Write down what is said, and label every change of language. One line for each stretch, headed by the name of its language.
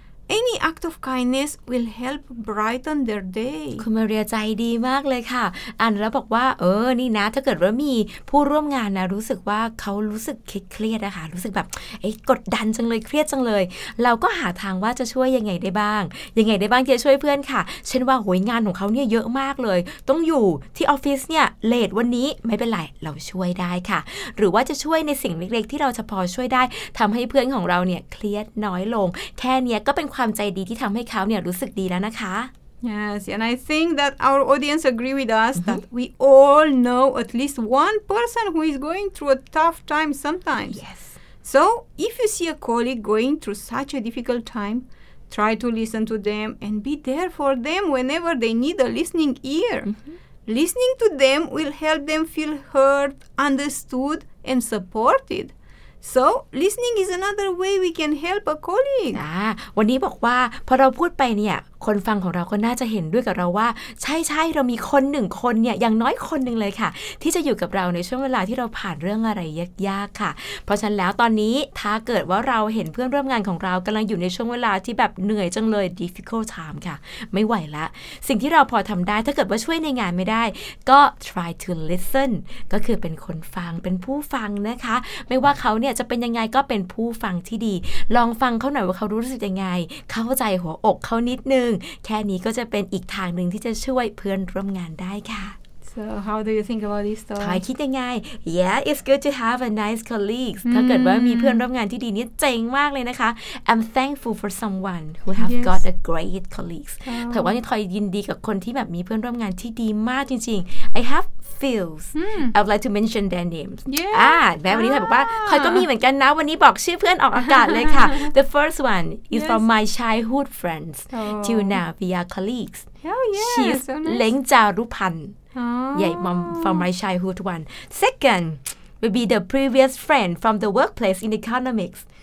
English: Any act of kindness will help brighten their day.
Thai: คุณมาเรียใจดีมากเลยค่ะอันแล้วบอกว่าเออนี่นะถ้าเกิดว่ามีผู้ร่วมงานนะรู้สึกว่าเขารู้สึกเครียดนะคะรู้สึกแบบเอ๊ะกดดันจังเลยเครียดจังเลยเราก็หาทางว่าจะช่วยยังไงได้บ้างยังไงได้บ้างที่จะช่วยเพื่อนค่ะเช่นว่าโหยงานของเขาเนี่ยเยอะมากเลยต้องอยู่ที่ออฟฟิศเนี่ยเลทวันนี้ไม่เป็นไรเราช่วยได้ค่ะหรือว่าจะช่วยในสิ่งเล็กๆที่เราจะพอช่วยได้ทำให้เพื่อนของเราเนี่ยเครียดน้อยลงแค่นี้ก็เป็นความใจดีที่ทำให้เขาเนี่ยรู้สึกดีแล้วนะคะ
English: Yes, and I think that our audience agree with us that we all know at least one person who is going through a tough time sometimes. Yes. So, if you see a colleague going through such a difficult time, try to listen to them and be there for them whenever they need a listening ear. Listening to them will help them feel heard, understood, and supported. So, listening is another way we can help a colleague.
Thai: วันนี้บอกว่าพอเราพูดไปเนี่ยคนฟังของเราก็น่าจะเห็นด้วยกับเราว่าใช่ๆเรามีคนหนึ่งคนเนี่ยอย่างน้อยคนหนึ่งเลยค่ะที่จะอยู่กับเราในช่วงเวลาที่เราผ่านเรื่องอะไร ยากๆค่ะเพราะฉะนั้นแล้วตอนนี้ถ้าเกิดว่าเราเห็นเพื่อนร่วมงานของเรากำลังอยู่ในช่วงเวลาที่แบบเหนื่อยจังเลย
English: difficult time
Thai: ค่ะไม่ไหวละสิ่งที่เราพอทำได้ถ้าเกิดว่าช่วยในงานไม่ได้ก็
English: try to listen
Thai: ก็คือเป็นคนฟังเป็นผู้ฟังนะคะไม่ว่าเขาเนี่ยจะเป็นยังไงก็เป็นผู้ฟังที่ดีลองฟังเขาหน่อยว่าเขารู้สึกยังไงเข้าใจหัวอกเขานิดนึงแค่นี้ก็จะเป็นอีกทางหนึ่งที่จะช่วยเพื่อนร่วมงานได้ค่ะ
English: So how do you think about this story?
Thai: ถอยคิดยังไง
English: Yeah, it's good to have a nice colleague
Thai: ถ้าเกิดว่ามีเพื่อนร่วมงานที่ดีนี่เจ๋งมากเลยนะคะ
English: I'm thankful for someone who have yes. got a great colleagues แ
Thai: ต่ว่าถอยยินดีกับคนที่แบบมีเพื่อนร่วมงานที่ดีมากจริงๆ
English: I haveFeels. Hmm. I would like to mention their names. Yeah.
Thai: แม้วันนี้เธอบอกว่าคอยก็มีเหมือนกันนะวันนี้บอกชื่อเพื่อนออกอากาศเลยค่ะ
English: The first one is yes. from my childhood friends till now we are colleagues. Oh, yeah. She's Leng Jarupan. Oh. Yeah, mom from my childhood one. Second would be the previous friend from the workplace in economics.